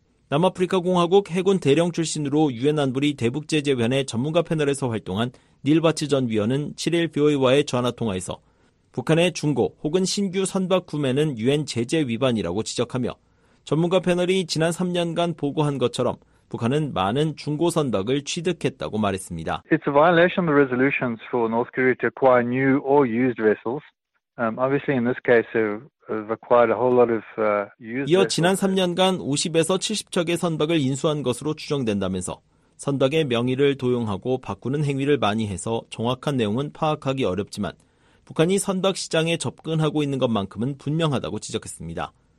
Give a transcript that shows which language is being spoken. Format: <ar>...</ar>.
<ko>남아프리카공화국 해군 대령 출신으로 유엔 안보리 대북제재위원회 전문가 패널에서 활동한 닐 바츠 전 위원은 7일 BOA와의 전화통화에서 북한의 중고 혹은 신규 선박 구매는 유엔 제재 위반이라고 지적하며 전문가 패널이 지난 3년간 보고한 것처럼 북한은 많은 중고 선박을 취득했다고 말했습니다.</ko> <en>It's a violation of the resolutions for North Korea to acquire new or used vessels. Obviously in this case they've acquired a whole lot of used vessels.</en> <ko>이어 지난 3년간 50에서 70척의 선박을 인수한 것으로 추정된다면서 선박의 명의를 도용하고 바꾸는 행위를 많이 해서 정확한 내용은 파악하기 어렵지만 북한이 선박 시장에 접근하고 있는 것만큼은 분명하다고 지적했습니다.</ko>